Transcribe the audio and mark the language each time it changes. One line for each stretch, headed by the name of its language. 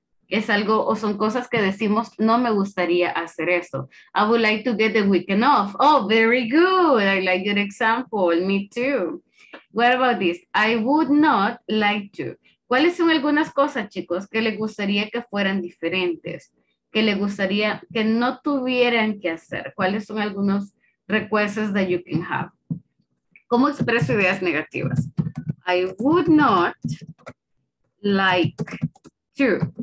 Spanish: Es algo, o son cosas que decimos, no me gustaría hacer eso.
English: I would like to get the weekend off. Oh, very good, I like your example, me too. What about this? I would not like to.
Spanish: ¿Cuáles son algunas cosas, chicos, que les gustaría que fueran diferentes? ¿Que les gustaría que no tuvieran que hacer? ¿Cuáles son algunos
English: requests that you can have?
Spanish: ¿Cómo expreso ideas negativas?
English: I would not like to.